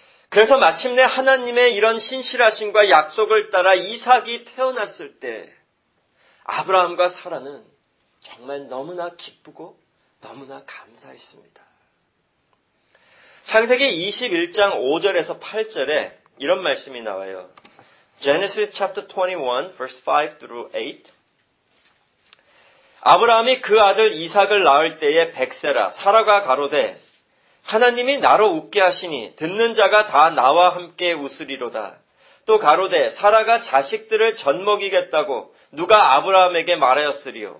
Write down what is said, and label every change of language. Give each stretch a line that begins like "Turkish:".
Korean: 그래서 마침내 하나님의 이런 신실하심과 약속을 따라 이삭이 태어났을 때 아브라함과 사라는 정말 너무나 기쁘고 너무나 감사했습니다. 창세기 21장 5절에서 8절에 이런 말씀이 나와요.
English: Genesis chapter 21, verse 5 through 8.
Korean: 아브라함이 그 아들 이삭을 낳을 때에 백세라. 사라가 가로되 하나님이 나로 웃게 하시니 듣는 자가 다 나와 함께 웃으리로다. 또 가로되 사라가 자식들을 젖먹이겠다고 누가 아브라함에게 말하였으리요.